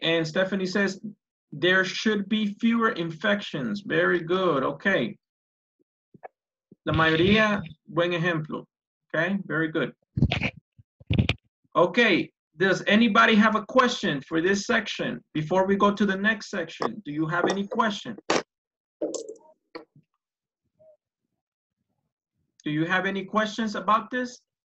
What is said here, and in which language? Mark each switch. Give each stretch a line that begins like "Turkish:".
English: And Stephanie says, there should be fewer infections. Very good. Okay.
Spanish: La mayoría, buen ejemplo.
English: Okay, very good. Okay, Does anybody have a question for this section before we go to the next section? Do you have any question? Do you have any questions about this?